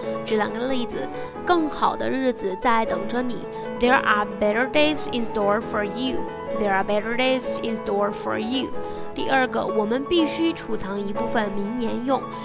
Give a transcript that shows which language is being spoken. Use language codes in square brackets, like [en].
[zh] 举两个例子，更好的日子在等着你。 [en] There are better days in store for you. There are better days in store for you. [zh] 第二个，我们必须储藏一部分明年用。